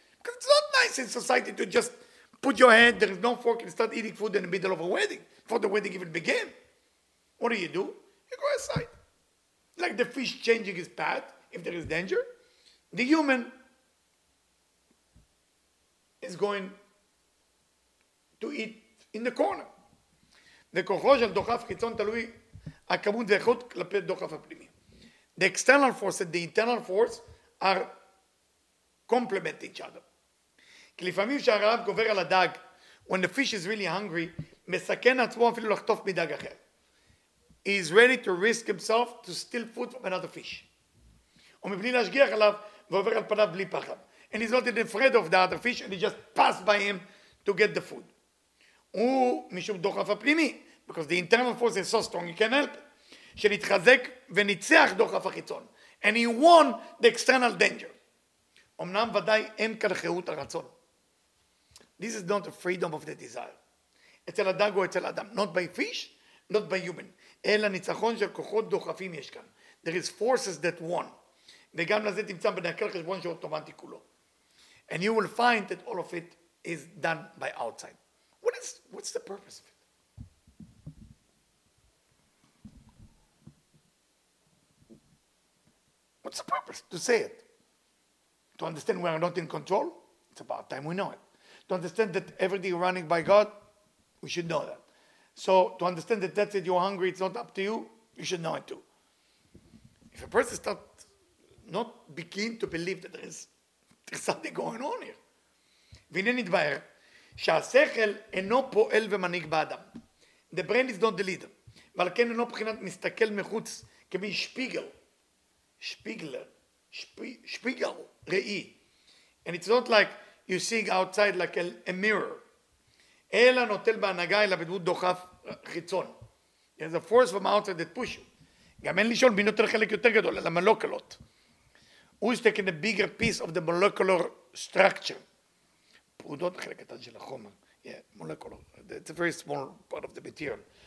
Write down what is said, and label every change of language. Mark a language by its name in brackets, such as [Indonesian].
[English] Because it's not nice in society to just put your hand, there is no fork, and start eating food in the middle of a wedding, before the wedding even began. What do? You go aside. Like the fish changing his path, if there is danger, the human is going to eat in the corner. [Hebrew] וכוחו של דוחף חיצון תלוי הכמות ואיכות כלפי דוחף הפנימי. [English] The external force and the internal force are complement each other. [Hebrew] כי לפעמים שהרעב גובר על הדג, [English] when the fish is really hungry, [Hebrew] מסכן עצמו אפילו לחטוף מדג אחר. [English] He is ready to risk himself to steal food from another fish. [Hebrew] ומבלי להשגיח עליו ועובר על פניו בלי פחד. [English] And he's not even afraid of the other fish and he just passed by him to get the food. [Hebrew] הוא משום דוחף הפנימי, [English] because the internal force is so strong, you can help, [Hebrew] שנתחזק וניצח דוחף החיצון, [English] and he won the external danger. [Hebrew] אמנם ודאי אין כאן חירות הרצון. [English] This is not a freedom of the desire. [Hebrew] אצל הדג או אצל אדם, [English] not by fish, not by human, [Hebrew] אלא ניצחון של כוחות דוחפים יש כאן. [English] There is forces that won. [Hebrew] וגם לזה תמצא בנקל חשבון שאוטומטי כולו. [English] And you will find that all of it is done by outside. What's the purpose of it? What's the purpose to say it? To understand we are not in control? It's about time we know it. To understand that everything is running by God? We should know that. So to understand that that's it, you're hungry, it's not up to you? You should know it too. If a person starts not begin to believe that there's something going on here, v'inei nidbaer, [Hebrew] שהשכל אינו פועל ומנהיג באדם. [English] The brain is not the leader. [Hebrew] ועל כן אינו בחינת מסתכל מחוץ כמי שפיגל. שפיגלר. שפיגל. ראי. [English] And it's not like you see outside like a mirror. [Hebrew] אלא נוטל בהנהגה אלא בדמות דוחף חיצון. [English] There's a force from outside that push you. [Hebrew] גם אין לשאול מי נוטל חלק יותר גדול אלא מולקולות. [English] Who's taking a bigger piece of the molecular structure? [Hebrew] פעודות החלק קטן של החומר. [English] Yeah, molecular. It's a very small part of the material.